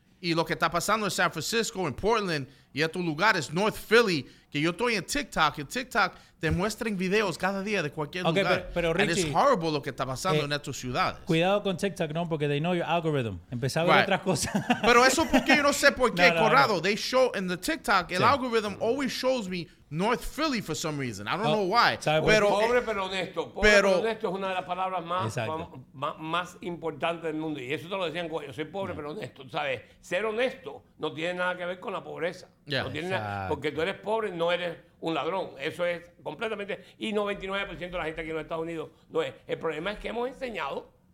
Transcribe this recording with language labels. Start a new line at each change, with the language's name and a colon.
Spanish: Y lo que está pasando en San Francisco, en Portland, y otros lugares, North Philly, que yo estoy en TikTok, y TikTok te muestran videos cada día de cualquier lugar. Pero Richie,
English: and it's horrible
Spanish: lo que está pasando en estas ciudades. Cuidado con TikTok, ¿no? Porque
English: they know your algorithm.
Spanish: Empezaba a ver otras cosas. Pero eso porque yo no sé por qué, Corrado.
English: No. They show in the TikTok, el algorithm always shows me North Philly for some reason. I don't know why.
Spanish: Pobre pero honesto. Pobre pero honesto es una de las palabras más importantes del mundo. Y eso te lo decían con ellos. Soy pobre pero honesto. ¿Sabes? Ser honesto no tiene nada que ver con la pobreza.
English: Yeah.
Spanish: No tiene nada, porque tú eres pobre, no eres un ladrón. Eso es completamente. Y 99% de la gente aquí en los Estados Unidos no es. El problema es que hemos enseñado.